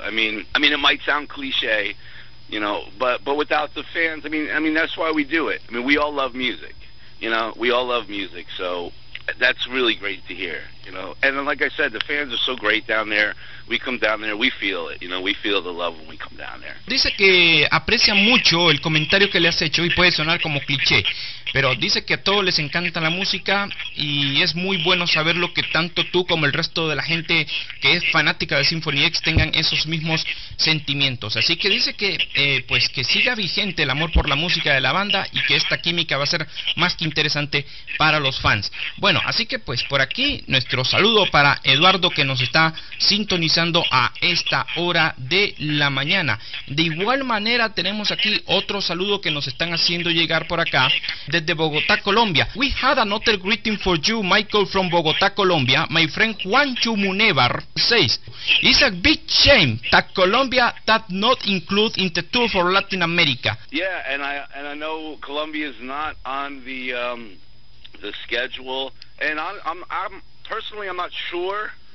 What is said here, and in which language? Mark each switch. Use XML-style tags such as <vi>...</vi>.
<en>I mean, it might sound cliche, you know, but without the fans, I mean, that's why we do it. I mean, we all love music, you know, we all love music, so that's really great to hear, you know. And like I said, the fans are so great down there. We come down there, we feel it, you know, we feel the love when we come down there.</en> <es>Dice que aprecia mucho el comentario que le has hecho, y puede sonar como cliché, pero dice que a todos les encanta la música, y es muy bueno saber lo que tanto tú como el resto de la gente que es fanática de Symphony X tengan esos mismos sentimientos. Así que dice que pues que siga vigente el amor por la música de la banda, y que esta química va a ser más que interesante para los fans. Bueno, así que pues por aquí nuestro nuestro saludo para Eduardo, que nos está sintonizando a esta hora de la mañana. De igual manera, tenemos aquí otro saludo que nos están haciendo llegar por acá desde Bogotá, Colombia.</es> <en>We had another greeting for you, Michael, from Bogotá, Colombia. My friend Juancho Munevar says, it's a big shame that Colombia that not include in the tour for Latin America. Yeah, and I know Colombia is not on the schedule, and I'm personally I'm not sure.</en>